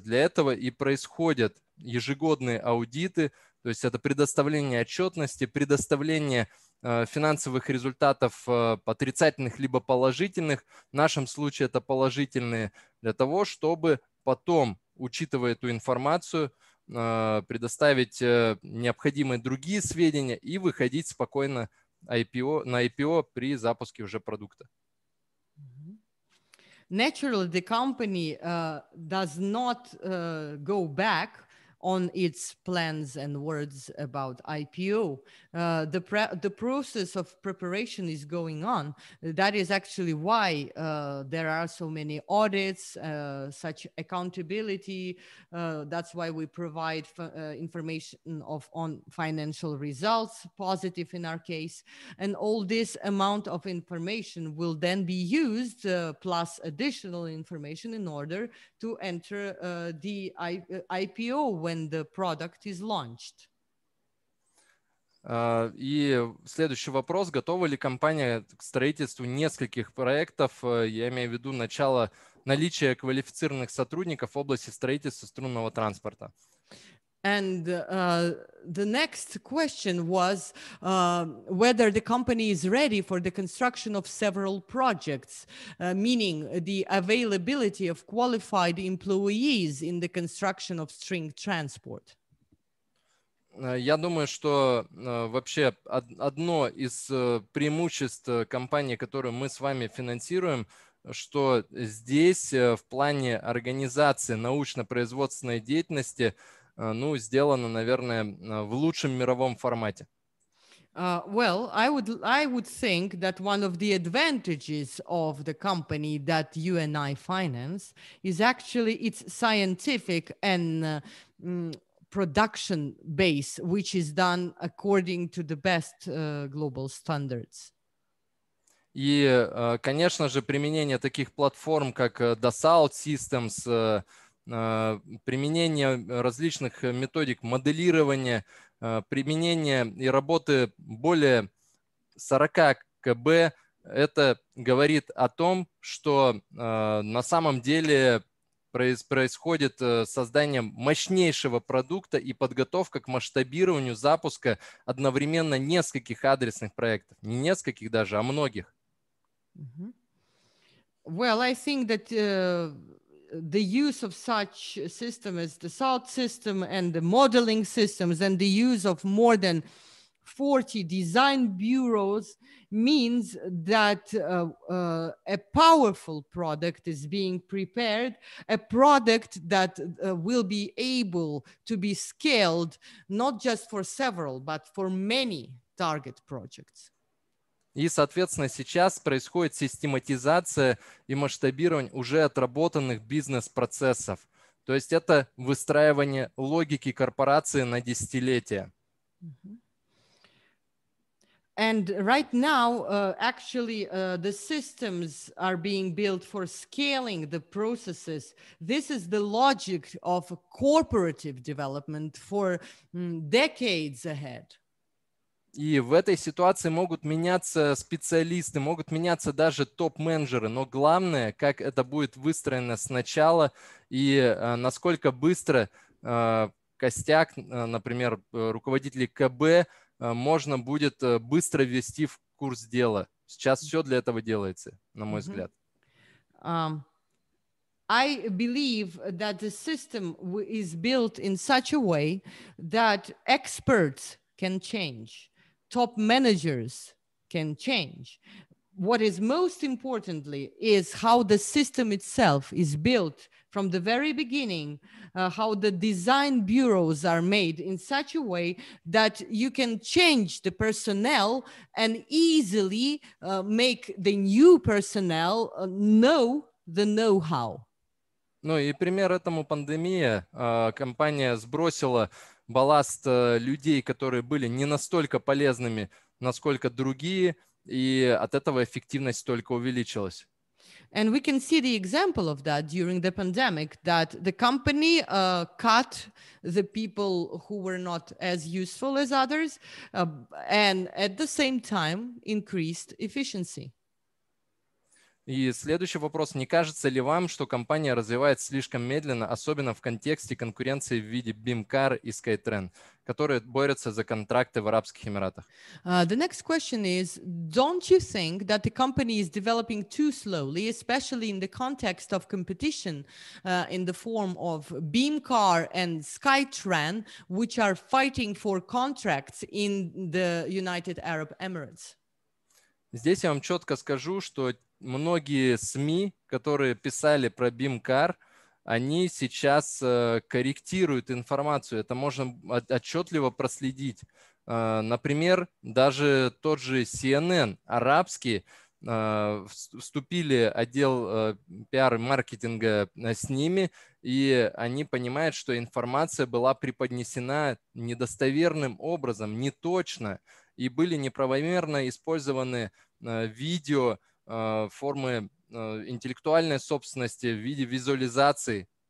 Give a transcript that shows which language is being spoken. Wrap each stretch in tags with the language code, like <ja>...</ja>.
<ru>Для этого и происходят ежегодные аудиты, то есть это предоставление отчетности, предоставление финансовых результатов отрицательных либо положительных, в нашем случае это положительные, для того, чтобы потом, учитывая эту информацию, предоставить необходимые другие сведения и выходить спокойно IPO, на IPO при запуске уже продукта.</ru> <en>Naturally, the company does not go back on its plans and words about IPO. The process of preparation is going on. That is actually why there are so many audits, such accountability. That's why we provide information of on financial results, positive in our case. And all this amount of information will then be used, plus additional information in order to enter the IPO when the product is launched.</en> <ru>И следующий вопрос. Готова ли компания к строительству нескольких проектов? Я имею в виду начало наличия квалифицированных сотрудников в области строительства струнного транспорта.</ru> <en>And the next question was whether the company is ready for the construction of several projects, meaning the availability of qualified employees in the construction of string transport.</en> <ru>Я думаю, что вообще одно из преимуществ компании, которую мы с вами финансируем, что здесь в плане организации научно-производственной деятельности ну, сделано, наверное, в лучшем мировом формате.</ru> <en>Well, I would think that one of the advantages of the company that you and I finance is actually its scientific and production base, which is done according to the best global standards.</en> <ru>И, конечно же, применение таких платформ, как Dassault Systems, применение различных методик моделирования, применение и работы более 40 КБ, это говорит о том, что на самом деле происходит создание мощнейшего продукта и подготовка к масштабированию запуска одновременно нескольких адресных проектов, не нескольких даже, а многих.</ru> <en>Well, I think that the use of such system as the SALT system and the modeling systems and the use of more than 40 design bureaus means that a powerful product is being prepared, a product that will be able to be scaled not just for several, but for many target projects.</en> <ru>И, соответственно, сейчас происходит систематизация и масштабирование уже отработанных бизнес-процессов. То есть это выстраивание логики корпорации на десятилетия.</ru> <en>And right now, actually, the systems are being built for scaling the processes. This is the logic of corporative development for decades ahead.</en> <ru>И в этой ситуации могут меняться специалисты, могут меняться даже топ-менеджеры, но главное, как это будет выстроено сначала и насколько быстро костяк, например, руководителей КБ, можно будет быстро ввести в курс дела. Сейчас все для этого делается, на мой взгляд.</ru> <en>I believe that the system is built in such a way that experts can change. Top managers can change. What is most importantly is how the system itself is built from the very beginning, how the design bureaus are made in such a way that you can change the personnel and easily make the new personnel know the know-how.</en> <ru>Ну и пример этому пандемия. Компания сбросила балласт людей, которые были не настолько полезными, насколько другие, и от этого эффективность только увеличилась.</ru> <en>And we can see the example of that during the pandemic, that the company cut the people who were not as useful as others, and at the same time increased efficiency.</en> <ru>И следующий вопрос. Не кажется ли вам, что компания развивается слишком медленно, особенно в контексте конкуренции в виде BIMCAR и SkyTrain, которые борются за контракты в Арабских Эмиратах?</ru> <en>The next question is, don't you think that the company is developing too slowly, especially in the context of competition in the form of BIMCAR and SkyTrain, which are fighting for contracts in the United Arab Emirates?</en> <ru>Здесь я вам четко скажу, что многие СМИ, которые писали про BIMCAR, они сейчас корректируют информацию. Это можно отчетливо проследить. Например, даже тот же CNN, арабский, вступили отдел пиар-маркетинга с ними, и они понимают, что информация была преподнесена недостоверным образом, неточно, и были неправомерно использованы видео, формы интеллектуальной собственности в виде визуализации.</ru>